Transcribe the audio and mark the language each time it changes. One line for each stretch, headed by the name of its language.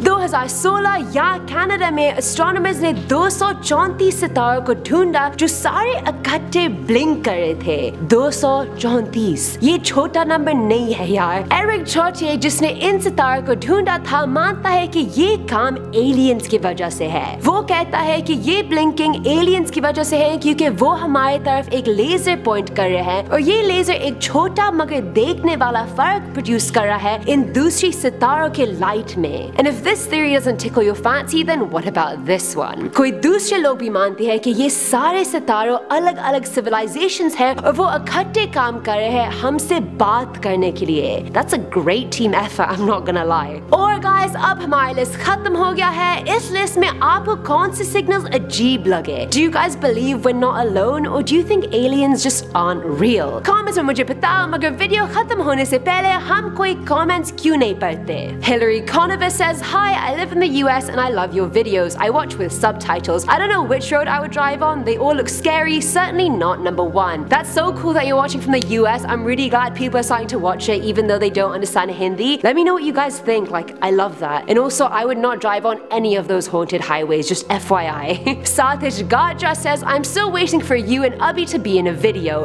Hindi: 2016 ya Canada mein astronomers ne 234 sitaron ko dhoonda jo sare ikatthe blink kar rahe the. 234. Ye chota number nahi hai yaar. Eric Chartier, jisne in sitaron ko dhoonda tha, manta hai ki ye काम aliens की वजह से है. वो कहता है कि ये ब्लिंकिंग एलियंस की वजह से है क्योंकि वो हमारे तरफ एक लेजर पॉइंट कर रहे हैं, और ये लेजर एक छोटा मगर देखने वाला फर्क प्रोड्यूस कर रहा है इन दूसरी सितारों के लाइट में.
English: And if this theory doesn't tickle your fancy, then what about this one?
Hindi: कोई दूसरे लोग भी मानते हैं कि ये सारे सितारों अलग अलग सिविलाइजेशंस हैं, और वो इकट्ठे काम कर रहे हैं हमसे बात करने के लिए.
English: That's a great team effort, I am not gonna lie.
Hindi: और गाइस, अब हमारे लिस्ट खत्म हो गया. क्या है इस लिस्ट में आपको कौन से सिग्नल अजीब लगे
English: Do you guys believe we're not alone or do you think aliens just aren't real
Hindi: comments में मुझे बताओ मगर वीडियो खत्म होने से पहले हम कोई कमेंट्स क्यों नहीं पढ़ते
English: Hillary Conover says Hi I live in the US and I love your videos I watch with subtitles I don't know which road I would drive on they all look scary certainly not number one That's so cool that you're watching from the US I'm really glad people are starting to watch it even though they don't understand Hindi Let me know what you guys think like I love that and also I would not drive on any of those haunted highways just FYI Satish Gaja says I'm still waiting for you and Abby to be in a video